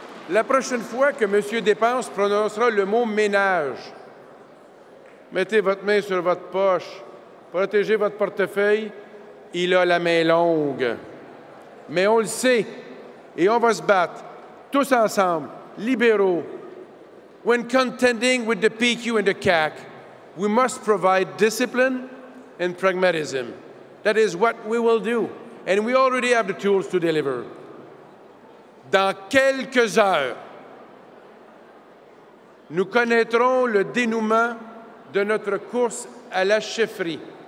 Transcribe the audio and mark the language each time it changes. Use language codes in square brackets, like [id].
[fr] La prochaine fois que M. Dépense prononcera le mot « ménage », mettez votre main sur votre poche, protégez votre portefeuille, il a la main longue. Mais on le sait, et on va se battre, tous ensemble, libéraux. [en] When contending with the PQ and the CAQ, we must provide discipline and pragmatism. That is what we will do. And we already have the tools to deliver. [fr] Dans quelques heures, nous connaîtrons le dénouement de notre course à la chefferie.